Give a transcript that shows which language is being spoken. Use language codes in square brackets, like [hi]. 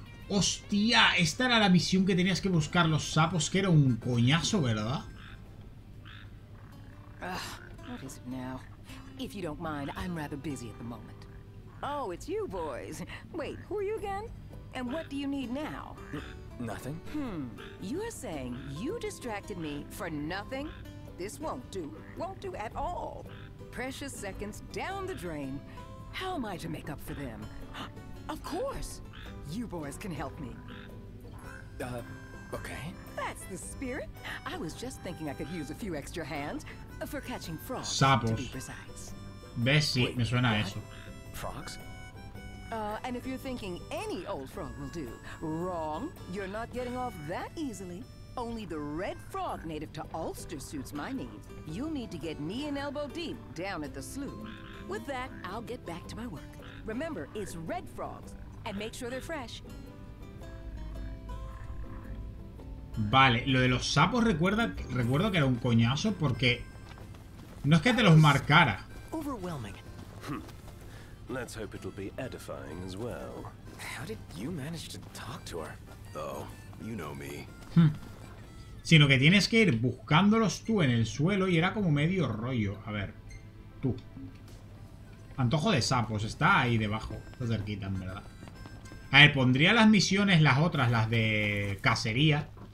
[es] Hostia, esta era la misión que tenías que buscar los sapos, que era un coñazo, ¿verdad? [en] What is it now? If you don't mind, I'm rather busy at the moment. Oh, it's you boys. Wait, who are you again? And what do you need now? Nothing. You're saying you distracted me for nothing? This won't do. Won't do at all. Precious seconds down the drain. How am I to make up for them? Of course. You boys can help me. Okay. That's the spirit. I was just thinking I could use a few extra hands. For catching frogs, [es] sapos. [en] To be precise. [es] Bessie, [en] wait, [es] me suena a eso. [en] Frogs? And if you're thinking any old frog will do, wrong. You're not getting off that easily. Only the red frog native to Ulster suits my needs. You'll need to get knee and elbow deep down at the slough. With that, I'll get back to my work. Remember, it's red frogs, and make sure they're fresh. [es] Vale, lo de los sapos recuerdo que era un coñazo porque no es que te los marcara. [en] Overwhelming. Let's hope it'll be edifying as well. How did you manage to talk to her? Oh, you know me. [es] Sino que tienes que ir buscándolos tú en el suelo y era como medio rollo. A ver, tú. Antojo de sapos, está ahí debajo. Está cerquita, en verdad. A ver, pondría las misiones, las otras, las de cacería.